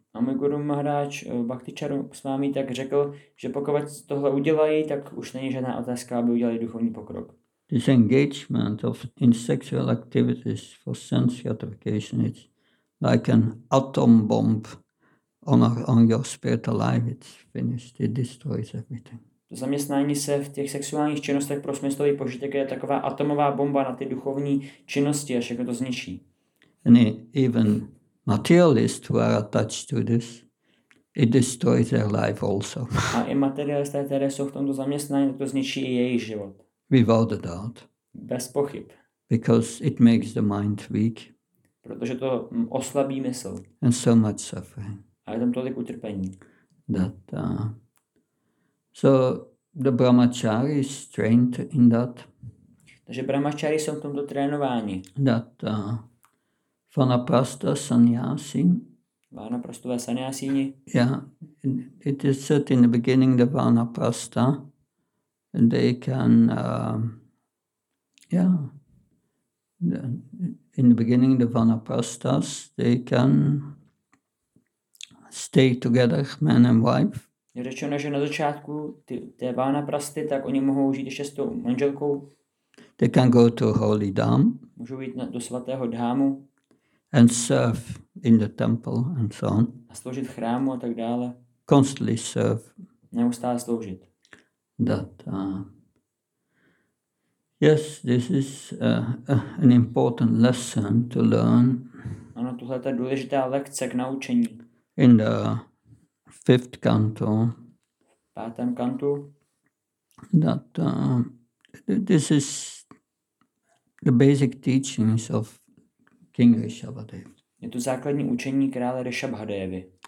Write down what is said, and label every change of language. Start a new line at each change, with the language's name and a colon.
Czech: A můj guru Maharaj Bhakti Charaswami tak řekl, že pokud tohle udělají, tak už není žádná otázka, aby udělali duchovní pokrok.
English: This engagement of in sexual activities for sense gratification is like an atom bomb on your spiritual life. It's finished. It destroys everything.
Czech: Zaměstnání se v těch sexuálních činnostech pro smyslový požitek je taková atomová bomba na ty duchovní činnosti a všechno to zničí.
English: And even materialists who are attached to this, it destroys their life also.
Czech: A i materialisté, které jsou v tomto zaměstnání, to zničí i jejich život.
English: Without a doubt.
Czech: Bez pochyb.
English: Because it makes the mind weak.
Czech: Protože to oslabí mysl.
English: And so much suffering.
Czech: A je tam tolik utrpení.
English: That, so the brahmachari is trained in that.
Czech: Takže brahmachari jsou v tomto trénování.
English: That, Vanaprastha sannyasi.
Czech: Vanaprastové sannyasíni.
English: Yeah, it is said in the beginning the Vanaprastha, they can, yeah, in the beginning the Vanaprasthas, they can stay together, man and wife.
Czech: Je řečeno, že na začátku ty Vanaprasty, tak oni mohou žít ještě s tou manželkou.
English: They can go to holy dham.
Czech: Můžou jít do svatého dhámu.
English: And serve in the temple and so on.
Czech: A sloužit v chrámu a tak dále.
English: Constantly serve.
Czech: Neustále sloužit.
English: That, yes, this is an important lesson to learn.
Czech: Ano, tohle je důležitá lekce k naučení.
English: In the fifth canto.
Czech: Pátém kantu.
English: That, this is the basic teachings of King Rishabhadev.
Czech: Je to základní učení krále Rishabhadevy.